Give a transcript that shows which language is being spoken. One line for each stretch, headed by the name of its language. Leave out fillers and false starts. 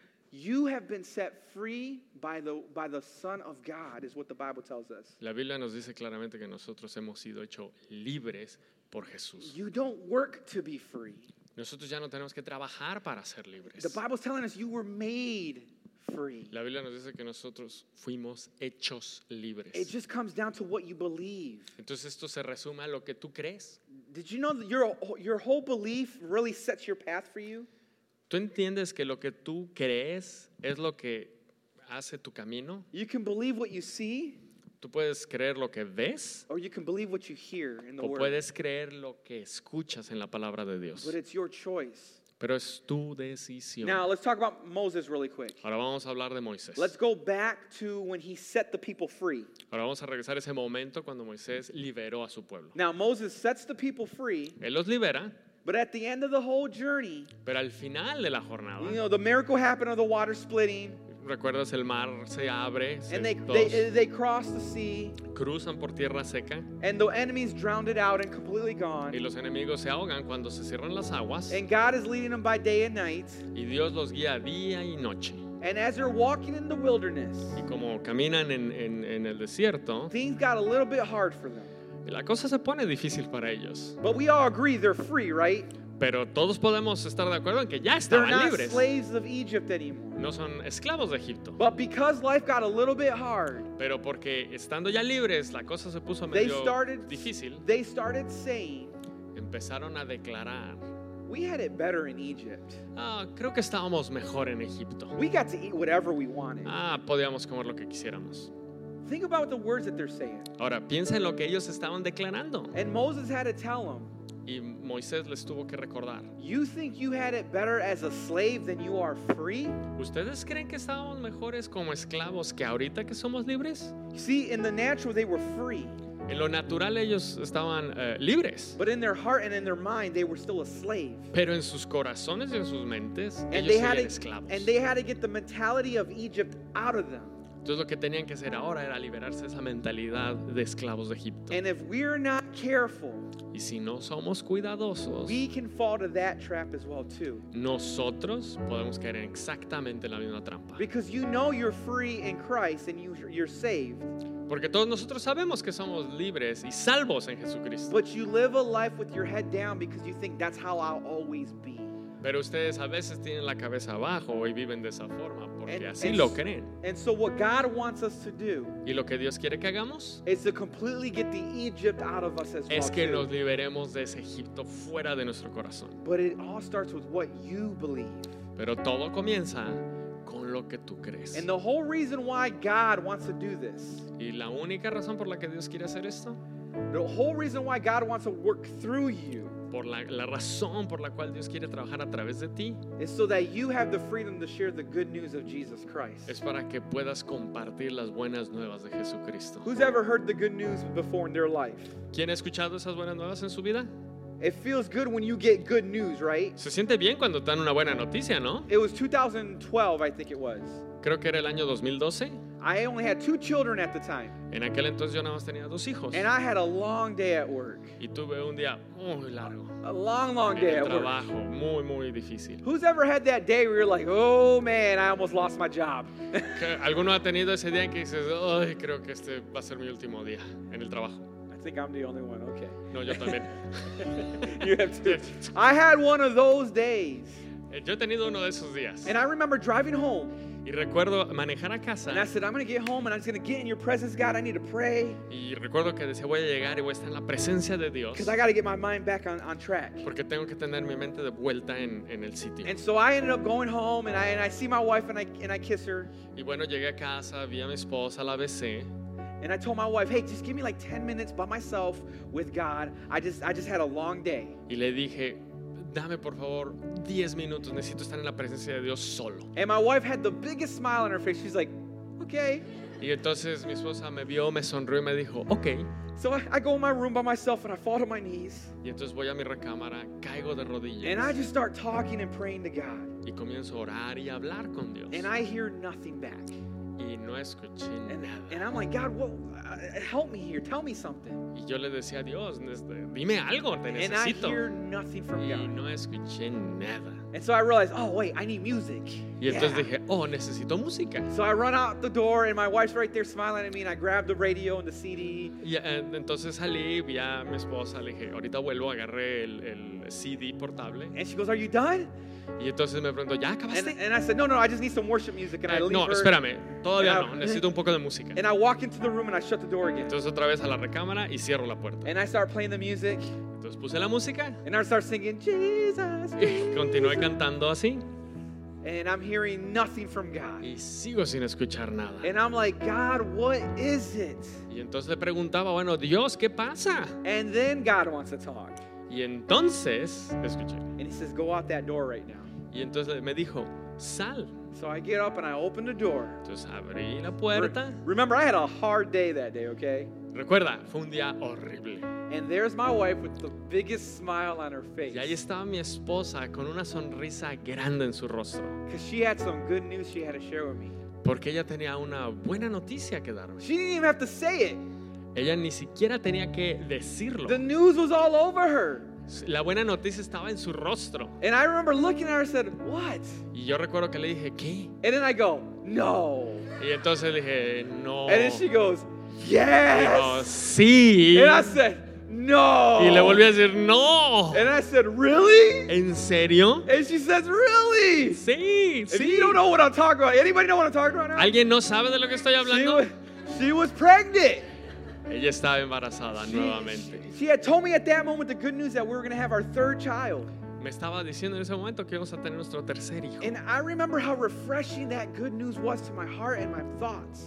English: You have been set free by the Son of God, is what the Bible tells us.
Spanish: La Biblia nos dice claramente que nosotros hemos sido hechos libres. Por Jesús.
English: You don't work to be free.
Spanish: Nosotros ya no tenemos que trabajar para ser libres.
English: The Bible's telling us you were made free.
Spanish: La Biblia nos dice que nosotros fuimos hechos libres.
English: It just comes down to what you believe.
Spanish: Entonces esto se resume a lo que tú crees.
English: Did you know that your whole belief really sets your path for you?
Spanish: ¿Tú entiendes que lo que tú crees es lo que hace tu camino?
English: You can believe what you see.
Spanish: Tú puedes creer lo que ves,
English: or you can believe what you hear in the
Spanish: o
English: word.
Spanish: Puedes creer lo que escuchas en la palabra de Dios.
English: But it's your choice.
Spanish: Pero es tu decisión.
English: Now let's talk about Moses really quick.
Spanish: Ahora vamos a hablar de Moisés.
English: Let's go back to when he set the people free.
Spanish: Ahora vamos a regresar a ese momento cuando Moisés liberó a su pueblo.
English: Now Moses sets the people free.
Spanish: Él los libera.
English: But at the end of the whole journey.
Spanish: Pero al final de la jornada.
English: You know, the miracle happened of the water splitting.
Spanish: ¿Recuerdas el mar se abre?
English: And they cross the sea.
Spanish: Cruzan por tierra seca.
English: And the enemies drowned out and completely gone.
Spanish: Y los enemigos se ahogan cuando se cierran las aguas.
English: And God is leading them by day and night.
Spanish: Y Dios los guía día y noche.
English: And as they're walking in the wilderness.
Spanish: Y como caminan en el desierto.
English: Things got a little bit hard for them.
Spanish: Y la cosa se pone difícil para ellos.
English: But we all agree they're free, right?
Spanish: Pero todos podemos estar de acuerdo en que ya estaban libres.
English: They're not
Spanish: libres.
English: Slaves of Egypt anymore.
Spanish: No son esclavos de Egipto.
English: But because life got a little bit hard.
Spanish: Pero porque estando ya libres, la cosa se puso medio difícil.
English: They started saying.
Spanish: Empezaron a declarar.
English: We had it better in Egypt.
Spanish: Creo que estábamos mejor en Egipto.
English: We got to eat whatever we wanted.
Spanish: Podíamos comer lo que quisiéramos.
English: Think about the words that they're saying.
Spanish: Ahora piensa en lo que ellos estaban declarando.
English: And Moses had to tell them.
Spanish: Y Moisés les tuvo que recordar.
English: You think you had it better as a slave than you are free?
Spanish: ¿Ustedes creen que estábamos mejores como esclavos que ahorita que somos libres?
English: See, in the natural they were free.
Spanish: En lo natural ellos estaban libres.
English: But in their heart and in their mind they were still a slave.
Spanish: Pero en sus corazones y en sus mentes ellos eran esclavos.
English: And they had to get the mentality of Egypt out of them.
Spanish: Entonces lo que tenían que hacer ahora era liberarse de esa mentalidad de esclavos de Egipto.
English: And if we're not careful,
Spanish: y si no somos cuidadosos,
English: we can fall to that trap as well too.
Spanish: Nosotros podemos caer en exactamente la misma trampa.
English: Because you know you're free in Christ and you're saved.
Spanish: Porque todos nosotros sabemos que somos libres y salvos en Jesucristo.
English: But you live a life with your head down because you think that's how I'll always be.
Spanish: Pero ustedes a veces tienen la cabeza abajo y viven de esa forma porque así lo creen.
English: And so what God wants us to do,
Spanish: y lo que Dios quiere que hagamos
English: is to completely get the Egypt out of us as well,
Spanish: es que nos liberemos de ese Egipto fuera de nuestro corazón.
English: But it all starts with what you believe.
Spanish: Pero todo comienza con lo que tú crees.
English: And the whole reason why God wants to do this,
Spanish: y la única razón por la que Dios quiere hacer esto,
English: the whole reason why God wants to work through you,
Spanish: por la, la razón por la cual Dios quiere trabajar a través de ti.
English: It's so that you have the freedom to share the good news of Jesus Christ.
Spanish: Es para que puedas compartir las buenas nuevas de Jesucristo.
English: Who's ever heard the good news before in their life?
Spanish: ¿Quién ha escuchado esas buenas nuevas en su vida?
English: It feels good when you get good news, right?
Spanish: Se siente bien cuando dan una buena noticia, ¿no?
English: It was 2012, I think it was.
Spanish: Creo que era el año 2012.
English: I only had two children at the time.
Spanish: En aquel entonces yo nada más tenía dos hijos.
English: And I had a long day at work.
Spanish: Y tuve un día muy largo.
English: A long, long day at
Spanish: trabajo,
English: work.
Spanish: Muy, muy difícil.
English: Who's ever had that day where you're like, oh man, I almost lost my job?
Spanish: ¿Alguno ha tenido ese día en que dices, ay, creo que este va a ser mi último día en el trabajo?
English: I think I'm the only one. Okay.
Spanish: No, yo también.
English: You have two. I had one of those days.
Spanish: Yo he tenido uno de esos días.
English: And I remember driving home.
Spanish: Y recuerdo manejar a casa.
English: And I said, I'm going to get home and I'm just going to get in your presence, God. I need to pray.
Spanish: Y recuerdo que decía, voy a llegar y voy a estar en la presencia de Dios.
English: Because I got to get my mind back on track.
Spanish: Porque tengo que tener mi mente de vuelta en el sitio.
English: And so I ended up going home and I see my wife and I kiss her.
Spanish: Y bueno, llegué a casa, vi a mi esposa, la besé.
English: And I told my wife, hey, just give me like 10 minutes by myself with God. I just had a long day.
Spanish: Y le dije, dame por favor 10 minutos. Necesito estar en la presencia de Dios solo.
English: And my wife had the biggest smile on her face. She's like, okay.
Spanish: Y entonces mi esposa me vio, me sonrió y me dijo, okay.
English: So I go in my room by myself and I fall to my knees.
Spanish: Y entonces voy a mi recámara, caigo de rodillas.
English: And I just start talking and praying to God.
Spanish: Y comienzo a orar y a hablar con Dios.
English: And I hear nothing back.
Spanish: Y no escuché nada.
English: And I'm like, God, what, help me here. Tell me something.
Spanish: Y yo le decía a Dios, dime algo, te necesito.
English: And I hear nothing from
Spanish: y
English: God.
Spanish: Y no escuché nada.
English: And so I realized, oh, wait, I need music.
Spanish: Y yeah. Entonces dije, oh, necesito música.
English: So I run out the door and my wife's right there smiling at me and I grab the radio and the CD.
Spanish: Yeah, entonces salí, vi a mi esposa, le dije, ahorita vuelvo, agarré el CD portable.
English: And she goes, are you done?
Spanish: Y entonces me preguntó, ¿ya acabaste?
English: And I said, no, I just need some worship music. And I leave
Spanish: no,
English: her.
Spanish: Espérame, todavía
English: and
Spanish: no, necesito un poco de música.
English: And I walk into the room and I shut the door again.
Spanish: Entonces otra vez a la recámara y cierro la puerta.
English: And I start playing the music.
Spanish: Entonces puse la música.
English: And I start singing, Jesus.
Spanish: Y continué cantando así.
English: And I'm hearing nothing from God.
Spanish: Y sigo sin escuchar nada.
English: And I'm like, God, what is it?
Spanish: Y entonces le preguntaba, bueno, Dios, ¿qué pasa?
English: And then God wants to talk.
Spanish: Y entonces escuché.
English: And he says, go out that door right now.
Spanish: Y entonces me dijo, sal.
English: So I get up and I open the door.
Spanish: Entonces abrí la puerta.
English: Remember, I had a hard day that day, okay?
Spanish: Recuerda, fue un día horrible.
English: And there's my wife with the biggest smile on her face.
Spanish: Y ahí estaba mi esposa con una sonrisa grande en su rostro.
English: Because she had some good news she had to share with me.
Spanish: Porque ella tenía una buena noticia que darme.
English: She didn't even have to say it.
Spanish: Ella ni siquiera tenía que decirlo.
English: The news was all over her.
Spanish: La buena noticia estaba en su rostro.
English: And I remember looking at her and said, what?
Spanish: Y yo recuerdo que le dije, ¿qué?
English: And then I go, no.
Spanish: Y entonces le dije, no.
English: And then she goes, yes.
Spanish: Y yo, sí.
English: And I said, no.
Spanish: Y le volví a decir, no.
English: And I said, really?
Spanish: ¿En serio?
English: And she says, really?
Spanish: Sí,
English: and
Spanish: sí.
English: You don't know what I'm talking about. Anybody know what I'm talking about now?
Spanish: ¿Alguien no sabe de lo que estoy hablando?
English: She was pregnant.
Spanish: Ella estaba embarazada nuevamente.
English: She had told me at that moment the good news that we were going to have our third child.
Spanish: Me estaba diciendo en ese momento que íbamos a tener nuestro tercer hijo.
English: And I remember how refreshing that good news was to my heart and my thoughts.